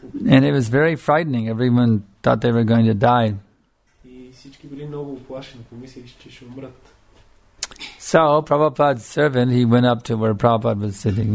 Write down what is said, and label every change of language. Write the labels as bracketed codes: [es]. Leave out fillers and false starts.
[en] And it was very frightening. Everyone thought they were going to die. [bg] И всички били много оплашени, помислили, че ще умрат. [en] So, Prabhupada's servant, he went up to where Prabhupada was sitting.